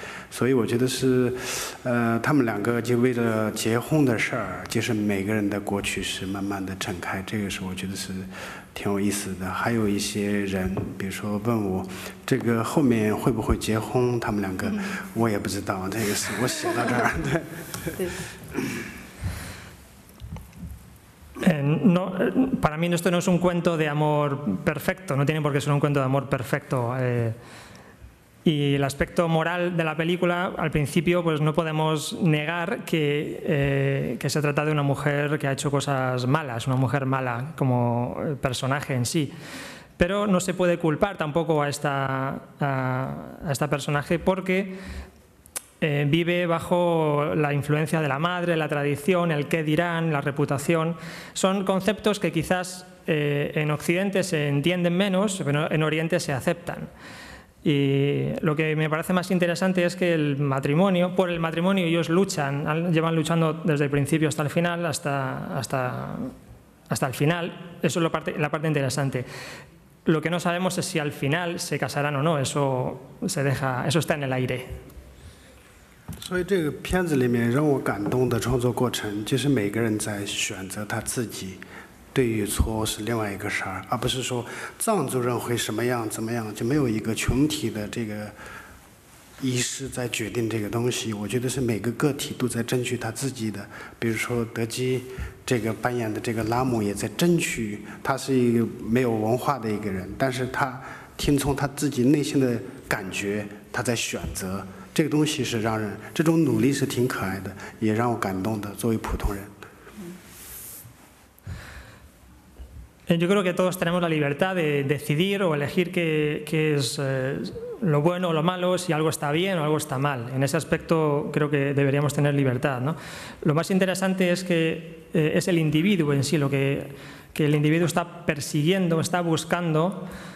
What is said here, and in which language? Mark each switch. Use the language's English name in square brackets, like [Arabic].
[Chinese] 所以我觉得是他们两个就为了结婚的事儿，就是每个人的过去是慢慢的展开，这个是我觉得是挺有意思的。还有一些人比如说问我这个后面会不会结婚，他们两个我也不知道，这个是我写到这儿。对 [Spanish] No, para mí esto no es un cuento de amor perfecto, no tiene por qué ser un cuento de amor perfecto. Y el aspecto moral de la película, al principio, pues no podemos negar que se trata de una mujer que ha hecho cosas malas, una mujer mala como personaje en sí. Pero no se puede culpar tampoco a esta personaje porque vive bajo la influencia de la madre, la tradición, el qué dirán, la reputación. Son conceptos que quizás en Occidente se entienden menos, pero en Oriente se aceptan. Y lo que me parece más interesante es que el matrimonio, por el matrimonio ellos luchan, llevan luchando desde el principio hasta el final, hasta el final. Eso es la parte interesante. Lo que no sabemos es si al final se casarán o no, eso está en el aire. [Chinese] 所以这个片子里面让我感动的创作过程，就是每个人在选择他自己对与错是另外一个事儿，而不是说藏族人会什么样怎么样，就没有一个群体的这个意识在决定这个东西。我觉得是每个个体都在争取他自己的，比如说德基这个扮演的这个拉姆也在争取，他是一个没有文化的一个人，但是他听从他自己内心的感觉，他在选择这个东西，是让人这种努力是挺可爱的，也让我感动的。作为普通人 [Spanish] ，Yo creo que todos tenemos la libertad de decidir o elegir qué es lo bueno o lo malo, si algo está bien o algo está mal. En ese aspecto creo que deberíamos tener libertad, ¿no? Lo más interesante es que es el individuo en sí lo que el individuo está persiguiendo, está buscando.